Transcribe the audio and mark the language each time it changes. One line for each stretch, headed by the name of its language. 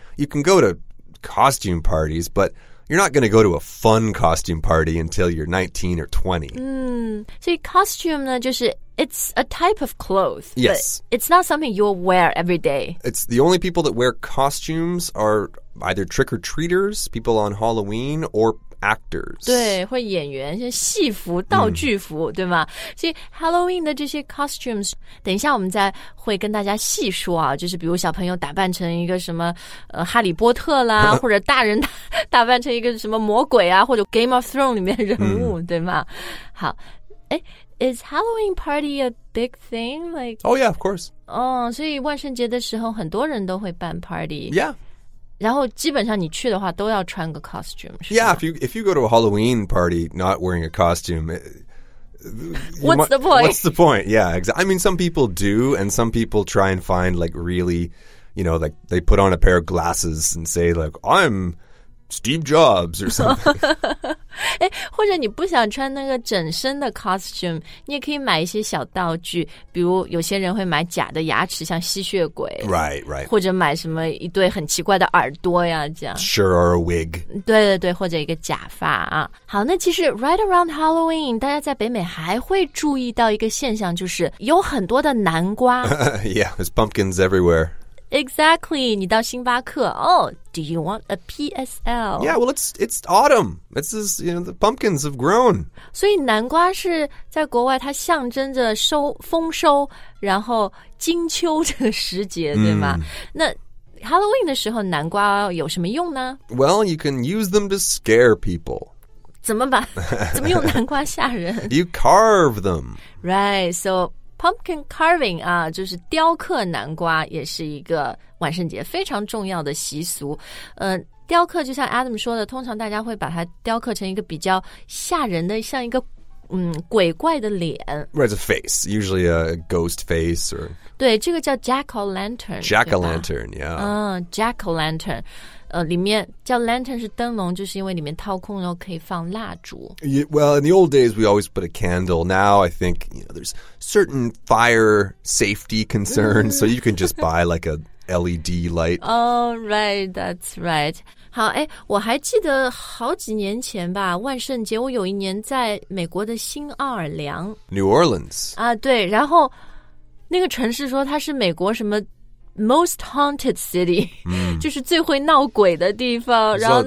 English: You can go to costume parties, but you're not going to go to a fun costume party until you're 19 or 20. So costume 呢，就是 it's a type of clothes. Yes. It's not something you'll wear every day. It's the only people that wear costumes are either trick-or-treaters, people on Halloween, or actors.
Chinese: 对，会演员，戏服、道具服，对吗？所以 Halloween 的这些 costumes, 等一下我们再会跟大家细说啊，就是比如小朋友打扮成一个什么哈利波特啦，或者大人打扮成一个什么魔鬼啊，或者 Game of Thrones 里面人物，对吗？
English: 好，诶，Is Halloween party a big thing? Like, oh, yeah, of course.
Chinese: Oh, 所以万圣节的时候很多人都会办 party.
English: Yeah.
Chinese: 然后基本上你去的话都要穿个 costume.
English: Yeah, if you go to a Halloween party not wearing a costume, What's the point? Yeah, exactly. I mean, some people do, and some people try and find, like, really, you know, like, they put on a pair of glasses and say, like, I'm... Steve Jobs or something.
Chinese: 诶，或者你不想穿那个整身的 costume, 你也可以买一些小道具，比如有些人会买假的牙齿，像吸血鬼。
English: Right, right.
Chinese: 或者买什么一对很奇怪的耳朵呀，这样。
English: Sure, or a wig.
Chinese: 对对对，或者一个假发啊。好，那其实 right around Halloween, 大家在北美还会注意到一个现象，就是有很多的南瓜。
English: Yeah, there's pumpkins everywhere. Exactly, 你到星巴克 Oh, do you want a PSL? Yeah, well, it's autumn. It's just, you know, the pumpkins have grown.
Chinese: 所以南瓜是在国外它象征着收丰收然后金秋这个时节、mm. 对吗那 Halloween 的时候南瓜有什么用呢
English: Well, you can use them to scare people.
Chinese: 怎么用南瓜吓人
English: You carve them.
Chinese: Right, so... Pumpkin carving 啊，就是雕刻南瓜，也是一个万圣节非常重要的习俗。雕刻就像 Adam 说的，通常大家会把它雕刻成一个比较吓人的，像一个鬼怪的脸。
English: Right, it's a face, usually a ghost face or.
Chinese: 对，这个叫 jack o' lantern.
English: Jack o' lantern, yeah.
Chinese: 嗯 ，jack o' lantern， 里面叫 lantern 是灯笼，就是因为里面掏空，然后可以放蜡烛。
English: Yeah, well, in the old days, we always put a candle. Now, I think you know, there's certain fire safety concerns, so you can just buy like a LED light. Oh, right, that's right.
Chinese: 好，哎，我还记得好几年前吧，万圣节，我有一年在美国的新奥尔良
English: ，New Orleans
Chinese: 啊，对，然后那个城市说它是美国什么 most haunted city，、 mm. 就是最会闹鬼的地方，然后